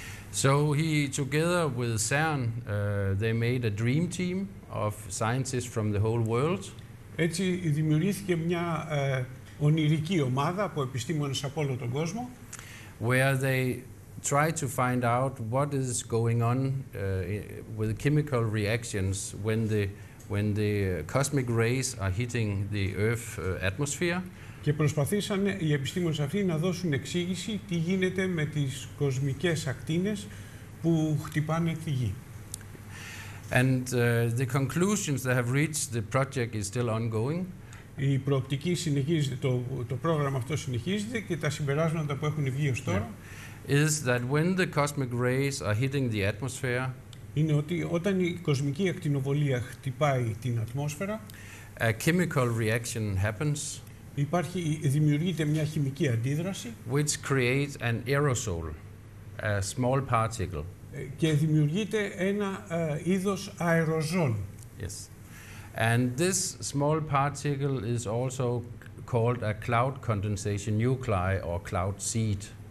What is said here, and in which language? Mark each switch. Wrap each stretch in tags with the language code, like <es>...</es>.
<en>So he together with CERN they made a dream team of scientists from the whole world.</en> <el>Έτσι δημιουργήθηκε μια ονειρική ομάδα από επιστήμονες από όλο τον κόσμο.</el> <en>Where they try to find out what is going on with chemical reactions when the cosmic rays are hitting the Earth atmosphere.</en> <el>Και προσπαθήσαν οι επιστήμονες αυτοί να δώσουν εξήγηση τι γίνεται με τις κοσμικές ακτίνες που χτυπάνε τη γη.</el> <en>And the conclusions they have reached, the project is still ongoing.</en> <el>Η προοπτική συνεχίζεται, το πρόγραμμα αυτό συνεχίζεται και τα συμπεράσματα που έχουν βγει ως τώρα.</el> <en>Is that when the cosmic rays are hitting the atmosphere?</en> <el>Είναι ότι όταν η κοσμική ακτινοβολία χτυπάει την ατμόσφαιρα,</el> <en>a chemical reaction happens.</en> <el>Υπάρχει, δημιουργείται μια χημική αντίδραση,</el> <en>which creates an aerosol, a small particle.</en> <el>Και δημιουργείται ένα είδος αεροζόλ.</el> <en>Yes. And this small particle is also called a cloud condensation nuclei or cloud seed.</en>